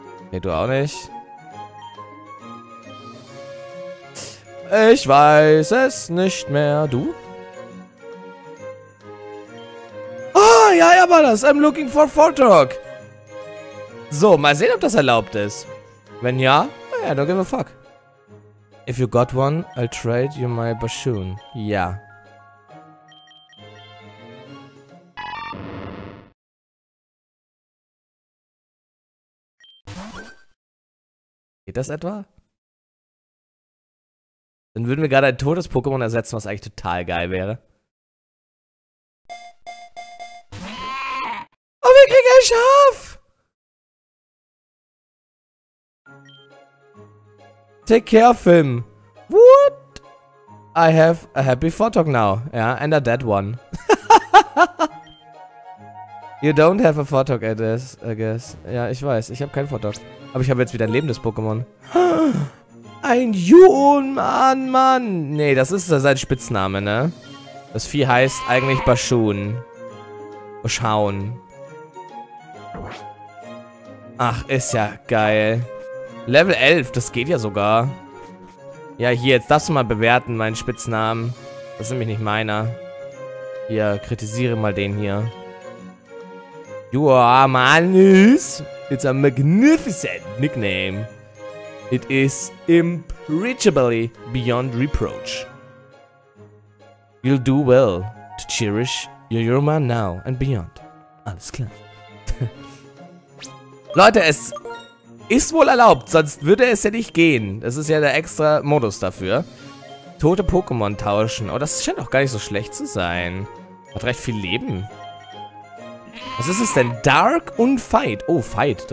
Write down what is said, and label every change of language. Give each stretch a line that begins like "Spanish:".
German: Nee, du auch nicht. Ich weiß es nicht mehr. Du? Ah, ja, ja, war das.
English: I'm looking for Fortok.
German: So, mal sehen, ob das erlaubt ist. Wenn ja, naja,
English: don't give a fuck. If you got one, I'll trade you my Bashoon.
German: Ja. Geht das etwa? Dann würden wir gerade ein totes Pokémon ersetzen, was eigentlich total geil wäre. Oh, wir kriegen ein Schaf!
English: Take care, Film. What? I have a happy photog now. Yeah, and a dead one. You don't have a photog, I guess.
German: Ja, ich weiß. Ich habe kein photog. Aber ich habe jetzt wieder ein lebendes Pokémon. Ein Yuon, Mann, Mann. Nee, das ist sein Spitzname, ne? Das Vieh heißt eigentlich Bashun. Bashaun. Ach, ist ja geil. Level 11, das geht ja sogar. Ja, hier, jetzt darfst du mal bewerten, meinen Spitznamen. Das ist nämlich nicht meiner. Hier, kritisiere mal den hier.
English: You are Manus. It's a magnificent nickname. It is impreachably beyond reproach. You'll do well to cherish your Yuma now and beyond.
German: Alles klar. Leute, es ist wohl erlaubt, sonst würde es ja nicht gehen. Das ist ja der extra Modus dafür. Tote Pokémon tauschen. Oh, das scheint auch gar nicht so schlecht zu sein. Hat recht viel Leben. Was ist es denn? Dark und Fight. Oh, Fight.